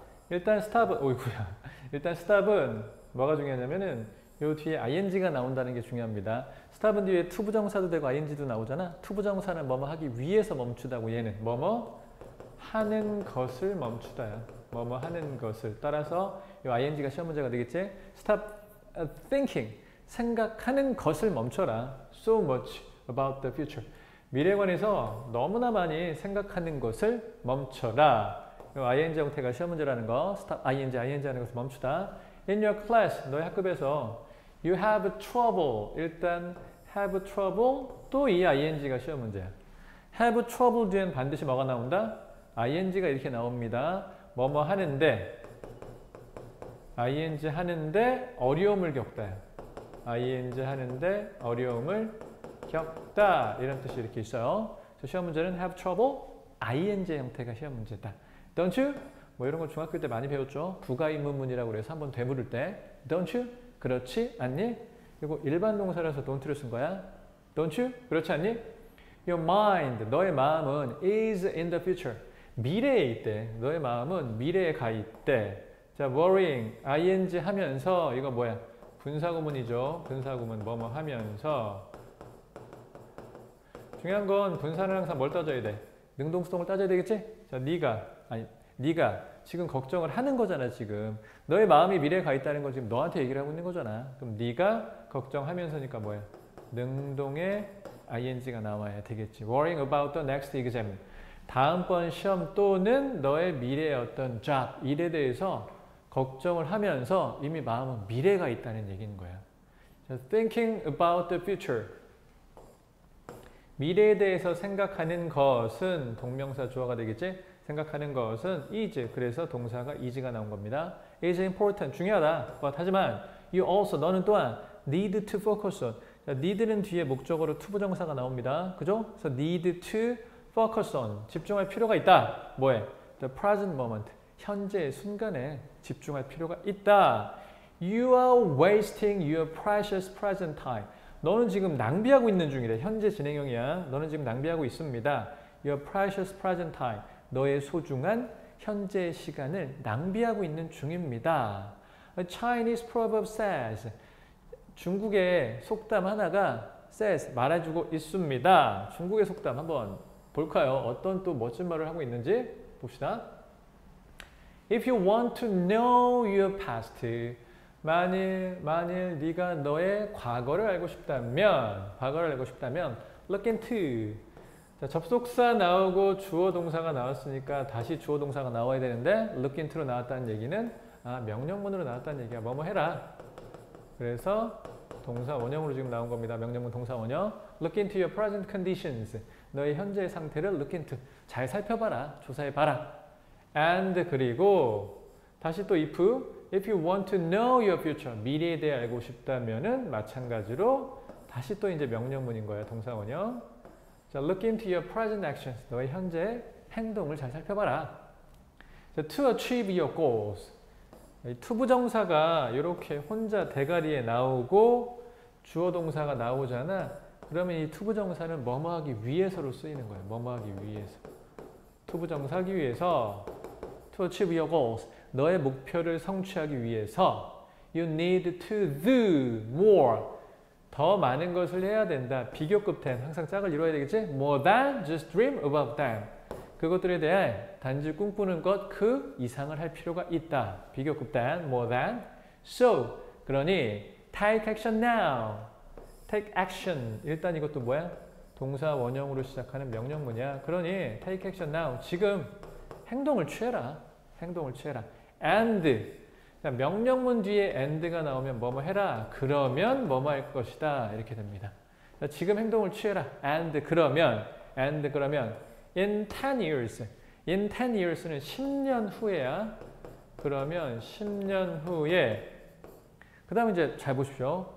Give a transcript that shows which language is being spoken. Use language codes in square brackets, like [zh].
[ko] 일단 stop은 오이구야. 일단 stop은 뭐가 중요하냐면은 요 뒤에 ing가 나온다는 게 중요합니다. stop은 뒤에 to 부정사도 되고 ing도 나오잖아. to 부정사는 뭐뭐 하기 위해서 멈추다고. 얘는 뭐뭐 하는 것을 멈추다야. 뭐뭐 하는 것을. 따라서 이 ing가 시험 문제가 되겠지? [en] stop thinking. [ko] 생각하는 것을 멈춰라. [en] so much about the future. [ko] 미래에 관해서 너무나 많이 생각하는 것을 멈춰라. ing 형태가 시험 문제라는 거. stop ing, ing 하는 것을 멈추다. [en] in your class, [ko] 너의 학급에서 [en] you have trouble. [ko] 일단 have trouble, 또 이 ing가 시험 문제야. have trouble 뒤엔 반드시 뭐가 나온다? ing가 이렇게 나옵니다. 뭐뭐 하는데, ing 하는데 어려움을 겪다. ing 하는데 어려움을 겪다. 이런 뜻이 이렇게 있어요. 시험 문제는 have trouble, ing 형태가 시험 문제다. [en] Don't you? [ko] 뭐 이런 걸 중학교 때 많이 배웠죠. 부가의문문이라고 그래서 한번 되물을 때. [en] Don't you? 그렇지 않니? [ko] 그리고 일반 동사라서 don't를 쓴 거야. [en] Don't you? 그렇지 않니? Your mind, [ko] 너의 마음은 [en] is in the future. [ko] 미래에 있대. 너의 마음은 미래에 가 있대. 자, worrying, ing 하면서 이거 뭐야? 분사구문이죠. 분사구문 뭐뭐 하면서. 중요한 건 분사는 항상 뭘 따져야 돼? 능동수동을 따져야 되겠지? 자, 네가 지금 걱정을 하는 거잖아, 지금. 너의 마음이 미래에 가 있다는 건 지금 너한테 얘기를 하고 있는 거잖아. 그럼 네가 걱정하면서니까 뭐야? 능동에 ing가 나와야 되겠지. [en] Worrying about the next exam. [ko] 다음번 시험 또는 너의 미래의 어떤 job, 일에 대해서 걱정을 하면서 이미 마음은 미래가 있다는 얘기인 거야. [en] Thinking about the future. [ko] 미래에 대해서 생각하는 것은 동명사 주어가 되겠지? 생각하는 것은 is. 그래서 동사가 is가 나온 겁니다. [en] is important. 중요하다. But 하지만 you also, [ko] 너는 또한 [en] need to focus on. [ko] need는 뒤에 목적으로 to 부정사가 나옵니다. 그죠? [en] 그래서 need to focus on. [ko] 집중할 필요가 있다. 뭐에? The present moment. 현재의 순간에 집중할 필요가 있다. [en] You are wasting your precious present time. [ko] 너는 지금 낭비하고 있는 중이래. 현재 진행형이야. 너는 지금 낭비하고 있습니다. [en] Your precious present time. [ko] 너의 소중한 현재의 시간을 낭비하고 있는 중입니다. [en] A Chinese proverb says. [ko] 중국의 속담 하나가 says, 말해주고 있습니다. 중국의 속담 한번 볼까요? 어떤 또 멋진 말을 하고 있는지 봅시다. [en] If you want to know your past, [ko] 만일 네가 너의 과거를 알고 싶다면, [en] look into. [ko] 자, 접속사 나오고 주어 동사가 나왔으니까 다시 주어 동사가 나와야 되는데, look into로 나왔다는 얘기는 명령문으로 나왔다는 얘기야. 뭐뭐 해라. 그래서 동사 원형으로 지금 나온 겁니다. 명령문 동사 원형. [en] Look into your present conditions. [ko] 너의 현재 상태를 look into. 잘 살펴봐라. 조사해 봐라. And 그리고 다시 또 [en] if you want to know your future, [ko] 미래에 대해 알고 싶다면은 마찬가지로 다시 또 이제 명령문인 거야, 동사원형. [en] 자, look into your present actions, [ko] 너의 현재 행동을 잘 살펴봐라. 자, to achieve your goals, 이 to 부정사가 이렇게 혼자 대가리에 나오고 주어 동사가 나오잖아. 그러면 이 to 부정사는 뭐뭐 하기 위해서로 쓰이는 거야, 뭐뭐 하기 위해서. to 부정사 하기 위해서. [en] To achieve your goals, [ko] 너의 목표를 성취하기 위해서 [en] you need to do more, [ko] 더 많은 것을 해야 된다. 비교급 된, 항상 짝을 이루어야 되겠지? [en] More than just dream about them. [ko] 그것들에 대해 단지 꿈꾸는 것그 이상을 할 필요가 있다. 비교급 된, more than. [en] So, 그러니 take action now. [ko] Take action. 일단 이것도 뭐야? 동사 원형으로 시작하는 명령문이야. [en] 그러니 take action now. [ko] 지금 행동을 취해라. 행동을 취해라. And. 명령문 뒤에 and가 나오면 뭐뭐 해라. 그러면 뭐뭐 할 것이다. 이렇게 됩니다. 지금 행동을 취해라. [en] And 그러면 in 10 years. [ko] In 10 years는 10년 후에야. 그러면 10년 후에. 그 다음 이제 잘 보십시오.